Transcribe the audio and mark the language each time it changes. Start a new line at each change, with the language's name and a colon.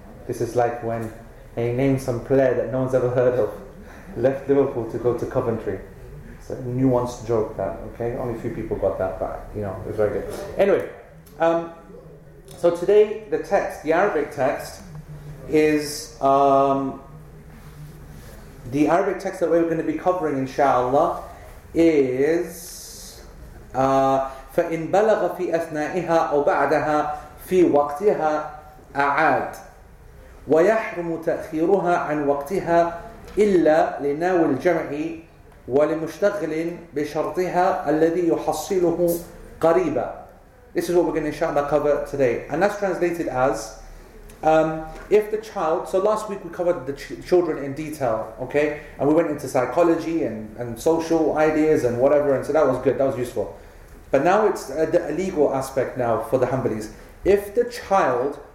English: This is like when he named some player that no one's ever heard of, left Liverpool to go to Coventry. It's a nuanced joke that, okay? Only a few people got that, but, it was very good. Anyway, so today the text, the Arabic text, is the Arabic text that we're going to be covering, inshallah, is
Arabic: فَإِنْ بَلَغَ فِي أَثْنَائِهَا أَوْ بَعْدَهَا فِي وَقْتِهَا أعاد ويحرم تأخيرها عن وقتها إلا لناوي الجمع ولمشتغل بشرطها الذي يحصله قريبا.
English: This is what we're going to inshallah cover today, and that's translated as if the child. So last week we covered the children in detail, okay, and we went into psychology and social ideas and whatever, and so that was good, that was useful. But now it's the legal aspect now for the Hanbalis. If the child